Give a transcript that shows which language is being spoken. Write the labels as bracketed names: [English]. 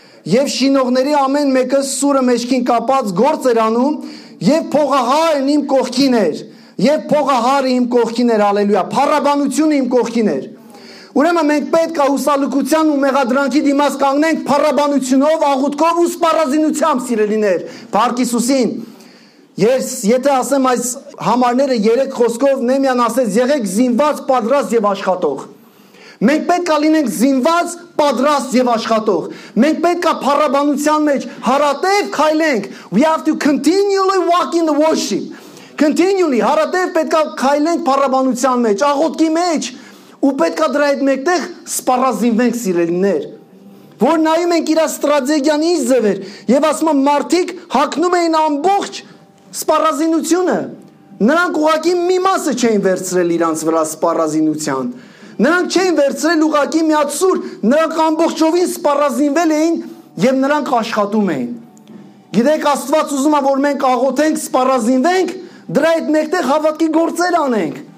[Armenian] Եվ շինողների ամեն մեկը սուրը մեջքին կապած գործ էր անում, և փողահարն իմ կողքին էր, և փողահարը իմ կողքին էր», ալելույա, «փառաբանությունը իմ կողքին էր»։ Ուրեմն մենք պետք է հուսալկության ու մեղադրանքի դիմաց կանգնենք փառաբանությունով, աղոթքով ու սպառազինությամբ, սիրելիներ, Փառք Հիսուսին։ Ես եթե ասեմ այս համարները 3 խոսքով, նեմյան ասես եղեք զինված, պատրաստ եւ աշխատող։ Մենք պետք է լինենք զինված, պատրաստ եւ աշխատող։ Մենք պետք է փառաբանության մեջ հարատեվ քայլենք. [English] We have to continually walk in the worship. [Armenian] Continually հարատեվ պետք է քայլենք փառաբանության մեջ, աղոթքի մեջ ու պետք է դրա այդ մեկտեղ սպառազինվենք սիրելիներ։ Որ նայում ենք իր ստրատեգիան ինչ ձևեր եւ ասում եմ մարդիկ հակնում էին ամբողջ սպառազինությունը։ Նրանք ուղղակի մի մասը չէին վերցրել իրանց վրա սպառազինության։ Նրանք չէին վերցրել ուղղակի մի հատ սուր, նրանք ամբողջովին սպառազինվել էին եւ նրանք աշխատում էին։ Գիտեք, Աստված ուզում է, որ մենք աղոթենք, սպառազինվենք, դրա այդ մեկտեղ հավատքի գործեր անենք։